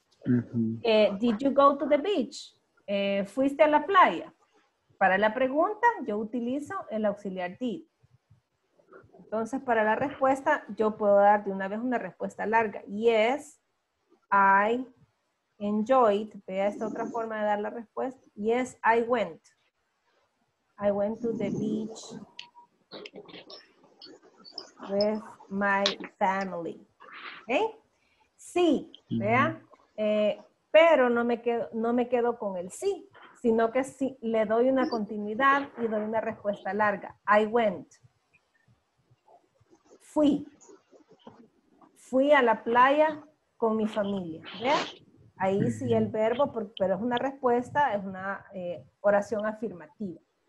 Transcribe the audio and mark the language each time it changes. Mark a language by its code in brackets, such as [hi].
[en] Uh-huh. Did you go to the beach? [es] ¿Fuiste a la playa? Para la pregunta, yo utilizo el auxiliar did. Entonces, para la respuesta, yo puedo dar de una vez una respuesta larga. [en] Yes, I enjoyed. [es] Vea esta otra forma de dar la respuesta. [en] Yes, I went. I went to the beach with my family. [es] ¿Okay? Sí, vea. Pero no me quedo con el sí, sino que sí, le doy una continuidad y doy una respuesta larga. [en] I went. [es] Fui a la playa con mi familia, ¿ve? Ahí sí el verbo, pero es una respuesta, es una oración afirmativa.